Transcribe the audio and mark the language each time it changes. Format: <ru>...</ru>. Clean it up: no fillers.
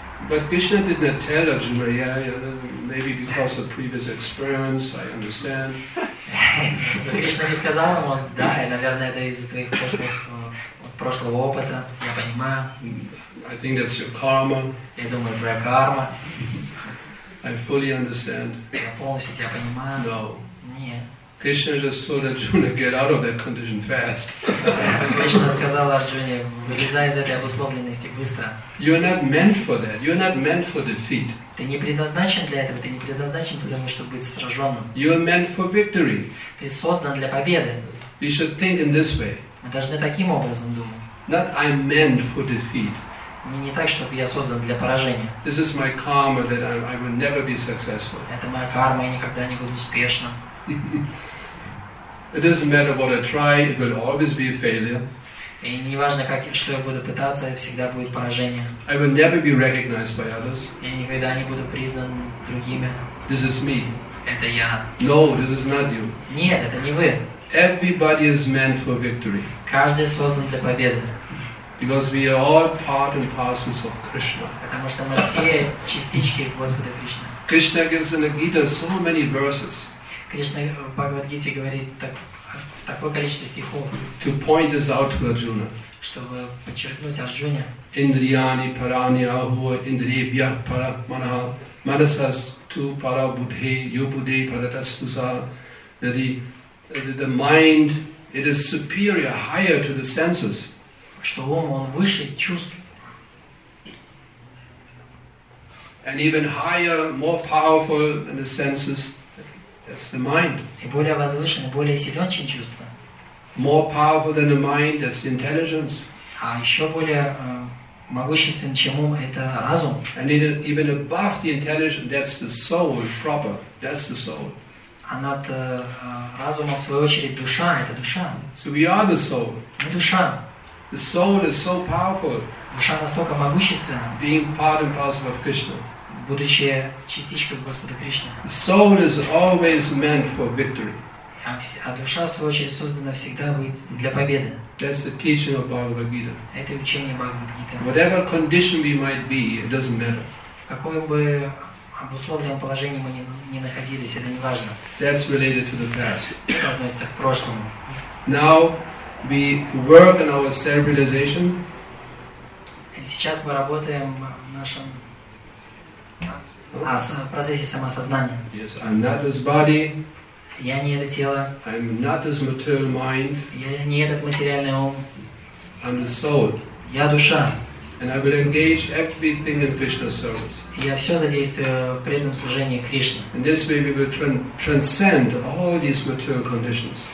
<en>But Krishna did not tell Arjuna, yeah, maybe because of previous experience, I understand.</en> <ru>Krishna не сказал ему, да, и, наверное, это из-за твоих прошлого опыта, я понимаю.</ru> <en>I think that's your karma.</en> <ru>Я думаю, твоя карма.</ru> <en>I fully understand.</en> <ru>Я полностью тебя понимаю.</ru> <en>No.</en> <ru>Нет.</ru> <en>Krishna just told Arjuna, get out of that condition fast.</en> <ru>Krishna сказал Арджуне, вылезай из этой обусловленности быстро.</ru> <en>You're not meant for that. You're not meant for defeat.</en> <ru>Ты не предназначен для этого. Ты не предназначен для того, чтобы быть сраженным.</ru> <en>You're meant for victory.</en> <ru>Ты создан для победы.</ru> <en>We should think in this way.</en> <ru>Мы должны таким образом думать.</ru> <en>Not I'm meant for defeat.</en> <ru>Не так, чтобы я создан для поражения.</ru> <en>This is my karma that I will never be successful.</en> <ru>Это моя карма, я никогда не буду успешным.</ru> <en>It doesn't matter what I try, it will always be a failure.</en> <ru>И не важно, как что я буду пытаться, всегда будет поражение.</ru> <en>I will never be recognized by others.</en> <ru>Я никогда не буду признан другими.</ru> <en>This is me.</en> <ru>Это я.</ru> <en>No, this is not you.</en> <ru>Нет, это не вы.</ru> <en>Everybody is meant for victory.</en> <ru>Каждый создан для победы.</ru> <en>Because we are all part and parcels of Krishna.</en> <ru>Потому что мы все частички Господа Кришны.</ru> <en>Krishna gives in the Gita so many verses.</en> <ru>Кришна в Бхагавад-гите говорит такое количество стихов.</ru> <en>To point this out to Arjuna.</en> <ru>Чтобы подчеркнуть Арджуне.</ru> <sa>Индрияни парани ахуа индриебья пара манаха манасас ту пара будхе юбуде паратастуса.</sa> <en>The mind, it is superior, higher to the senses.</en> <ru>Что ум, он выше чувств.</ru> <en>And even higher, more powerful than the senses, that's the mind.</en> <ru>И более возвышен, более силен, чем чувства.</ru> <en>More powerful than the mind, that's the intelligence.</en> <ru>А еще более могущественен, чем ум, это разум.</ru> <en>And even above the intelligence, that's the soul proper, that's the soul.</en> <ru>А над разумом, в свою очередь, душа, это душа.</ru> <en>So we are the soul.</en> <ru>Мы душа.</ru> <en>The soul is so powerful.</en> <ru>Душа настолько могущественна.</ru> <en>Being part and parcel of Krishna.</en> <ru>Будучи частичкой Господа Кришны.</ru> <en>The soul is always meant for victory.</en> <ru>А душа, в свою очередь, создана всегда для победы.</ru> <en>That's the teaching of Bhagavad Gita.</en> <ru>Это учение Бхагавад Гиты.</ru> <en>Whatever condition we might be, it doesn't matter.</en> <ru>Какое бы обусловленном положении мы не находились, это не важно.</ru> <en>That's related to the past.</en> <ru>Это относится к прошлому.</ru> <en>Now, we work on our self-realization.</en> <ru>Сейчас мы работаем в нашем процессе самоосознания.</ru> <en>Yes, I'm not this body.</en> <ru>Я не это тело.</ru> <en>I'm not this material mind.</en> <ru>Я не этот материальный ум.</ru> <en>I'm the soul.</en> <ru>Я душа.</ru> <en>And I will engage everything in Krishna's service.</en> <ru>Я все задействую в преданном служении Кришне.</ru> <en>In this way, we will transcend all these material conditions.</en>